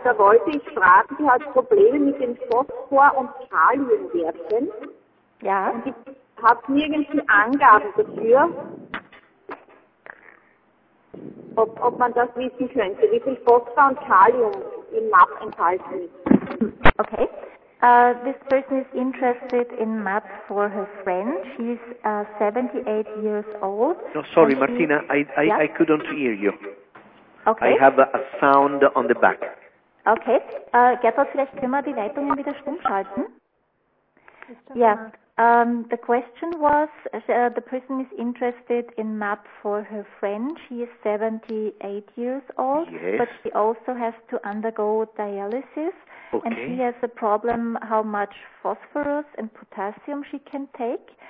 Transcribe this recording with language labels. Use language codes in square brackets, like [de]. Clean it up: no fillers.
[de] Da wollte ich fragen, sie hat Probleme mit den Phosphor- und Kaliumwerten. Ja. Und sie hat nirgends Angaben dafür, ob man das wissen könnte, wie viel Phosphor und Kalium im MAP enthalten ist. Okay. [en] This person is interested in math for her friend. She's 78 years old. No, sorry, Martina, I couldn't hear you. Okay. I have a sound on the back. Okay. [de] Gertrud, vielleicht können wir die Leitungen wieder stumm schalten? [en] Yeah. The question was, the person is interested in MAP for her friend. She is 78 years old, yes. But she also has to undergo dialysis. Okay. And she has a problem how much phosphorus and potassium she can take.